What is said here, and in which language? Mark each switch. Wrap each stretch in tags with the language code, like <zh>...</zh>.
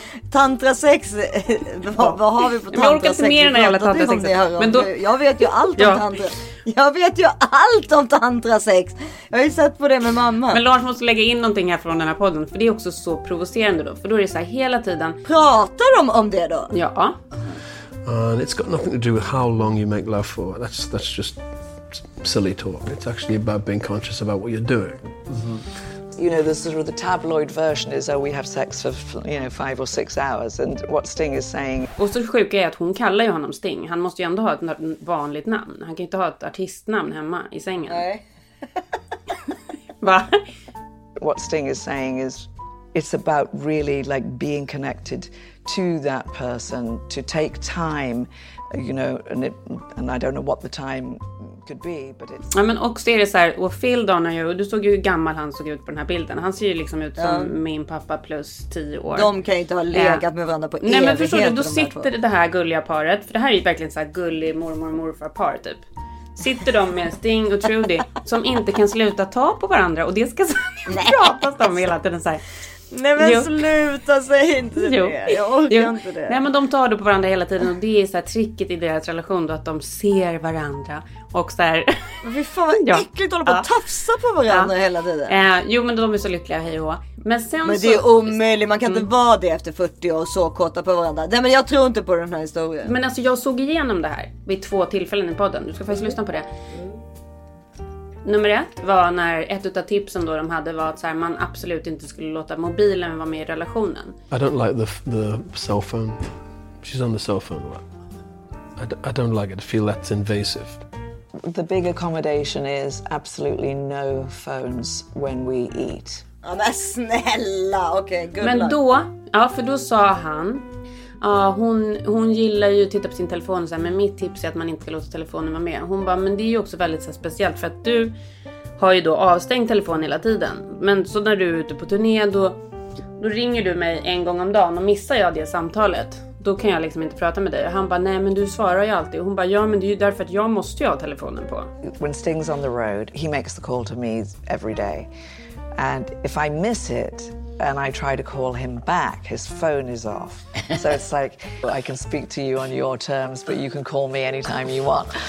<sv>Tantrasex, vad har vi på tantrasex? Jag orkar inte mer än den jävla tantrasexet. Men då... Jag vet ju allt om tantrasex. Jag vet ju allt om tantrasex. Jag har ju sett på det med mamma. Men Lars måste lägga in någonting här från den här podden. För det är också så provocerande då. För då är det så här hela tiden... Pratar de om det då? Ja.</sv> <en>And it's got nothing to do with how long you make love for. That's just silly talk. It's actually about being conscious about what you're doing. Mm-hmm. You know, the sort of the tabloid version is, oh, we have sex for, you know, 5 or 6 hours. And what Sting is saying...</en> <sv>Och så sjuka är att hon kallar ju honom Sting. Han måste ju ändå ha ett vanligt namn. Han kan ju inte ha ett artistnamn hemma i sängen. Nej. Va?</sv> <en>What Sting is saying is, it's about really, like, being connected to that person, to take time, you know, and I don't know what the time... Could be, but it's...</en> <sv>Ja, men också är det såhär, och Phil Donahue, du såg ju hur gammal han såg ut på den här bilden. Han ser ju liksom ut som min pappa plus 10 år. De kan ju inte ha legat med varandra på evighet. Nej, men förstår du, då sitter det här gulliga paret, för det här är ju verkligen såhär gullig mormor och morfar par typ. Sitter de med Sting och Trudy som inte kan sluta ta på varandra, och det ska pratas om hela tiden såhär. Nej, men sluta, säg inte det. Jag orkar inte det. Nej, men de tar det på varandra hela tiden. Och det är så här tricket i deras relation då, att de ser varandra. Och så här, vi får vad äckligt hålla på att tafsa på varandra hela tiden. Jo, men de är så lyckliga, hej och. Men sen men det är omöjligt, man kan inte vara det efter 40 år och så kåta på varandra. Nej, men jag tror inte på den här historien. Men alltså, jag såg igenom det här vid 2 tillfällen i podden. Du ska faktiskt lyssna på det. Nummer 1 var när ett utav tipsen då de hade var att så här, man absolut inte skulle låta mobilen vara med i relationen.</sv> <en>I don't like the cell phone. She's on the cell phone a lot. I don't like it. I feel that's invasive. The big accommodation is absolutely no phones when we eat.</en> <sv>Ja, men snälla, okej, okay, men</sv> <en>luck.</en> <sv>Då, ja, för då sa han, ja, hon gillar ju att titta på sin telefon så här, men mitt tips är att man inte ska låta telefonen vara med. Hon bara, men det är ju också väldigt så här, speciellt för att du har ju då avstängd telefon hela tiden. Men så när du är ute på turné, då ringer du mig en gång om dagen, och missar jag det samtalet, då kan jag liksom inte prata med dig. Och han bara, nej, men du svarar ju alltid. Hon bara, ja, men det är ju därför att jag måste ju ha telefonen på.</sv> <en>When Sting's on the road, he makes the call to me every day. And if I miss it and I try to call him back, his phone is off. So it's like, I can speak to you on your terms, but you can call me anytime you want.</en>